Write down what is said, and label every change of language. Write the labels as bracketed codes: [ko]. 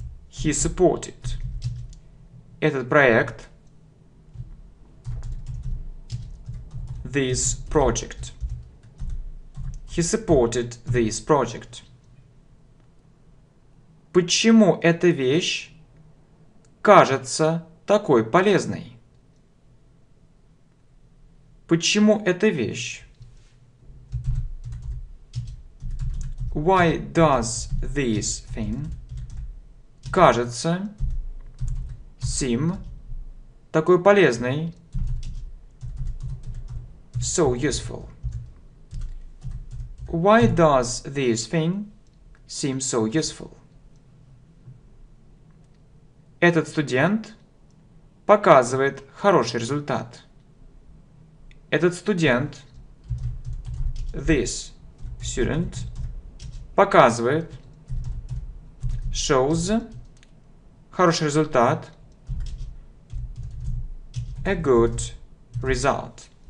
[en] He supported [ru] этот проект. [en] This project. He supported this project. [ru] Почему эта вещь кажется такой полезной? Почему эта вещь? [en] Why does this thing [ru] кажется [en] seem [ru] такой полезной? [en] So useful. Why does this thing seem so useful? [ru] Этот студент показывает хороший результат. Этот студент, [en] this student, [ru] показывает, [en] shows, [ru] Хороший результат. [en] A good result.